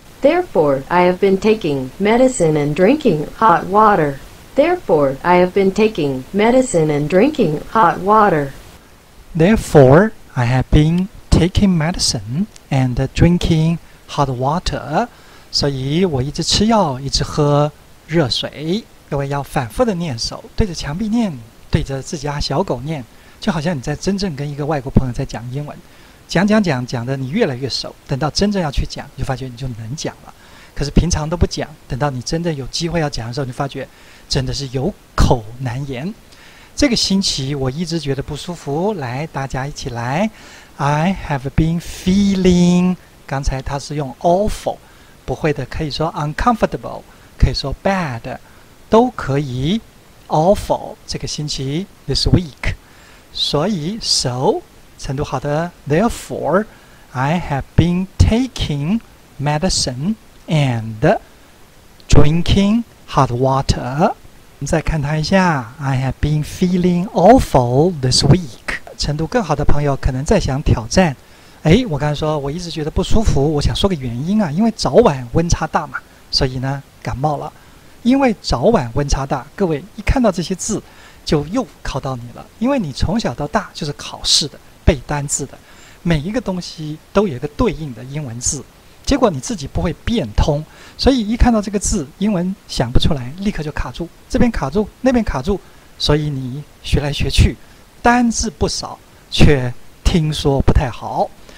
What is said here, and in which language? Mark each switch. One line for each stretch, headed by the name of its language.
English: Therefore, I have been taking medicine and drinking hot water. Therefore, I have been taking medicine and drinking hot water. Therefore, I have been taking medicine and drinking hot water.
Chinese: 所以我一直吃药，一直喝热水。各位要反复的念熟，对着墙壁念，对着自己家小狗念。就好像你在真正跟一个外国朋友在讲英文，讲讲讲讲的你越来越熟，等到真正要去讲，你就发觉你就能讲了。可是平常都不讲，等到你真正有机会要讲的时候，你发觉真的是有口难言。这个星期我一直觉得不舒服，来，大家一起来。
English: I have been feeling，
Chinese: 刚才他是用 awful， 不会的可以说 uncomfortable， 可以说 bad， 都可以。
English: awful
Chinese: 这个星期
English: this week。所以 so
Chinese: 程度好的
English: therefore I have been taking medicine and drinking hot water。
Chinese: 再看他一下
English: I have been feeling awful this week。
Chinese: 程度更好的朋友可能在想挑战，哎，我刚才说我一直觉得不舒服，我想说个原因啊，因为早晚温差大嘛，所以呢感冒了。因为早晚温差大，各位一看到这些字就又考到你了，因为你从小到大就是考试的，背单字的，每一个东西都有一个对应的英文字，结果你自己不会变通，所以一看到这个字英文想不出来，立刻就卡住，这边卡住那边卡住，所以你学来学去单字不少，却听说不太好。